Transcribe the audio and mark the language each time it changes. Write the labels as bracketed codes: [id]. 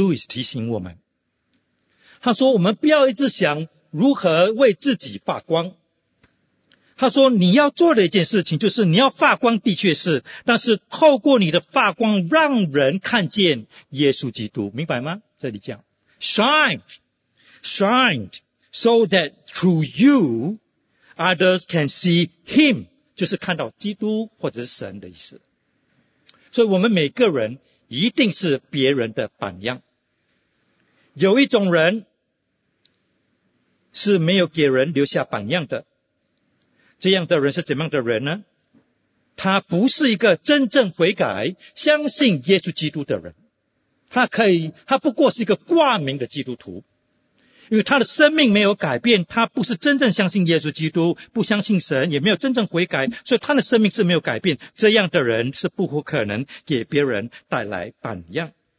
[zh] Lewis 提醒我们，他说我们不要一直想如何为自己发光，他说你要做的一件事情就是你要发光，的确是，但是透过你的发光让人看见耶稣基督，明白吗？这里讲 [en] Shine so that through you others can see him， [zh] 就是看到基督或者是神的意思。所以我们每个人一定是别人的榜样。有一种人是没有给人留下榜样的，这样的人是怎样的人呢？他不是一个真正悔改相信耶稣基督的人，他不过是一个挂名的基督徒，因为他的生命没有改变，他不是真正相信耶稣基督，不相信神，也没有真正悔改，所以他的生命是没有改变，这样的人是不可能给别人带来榜样。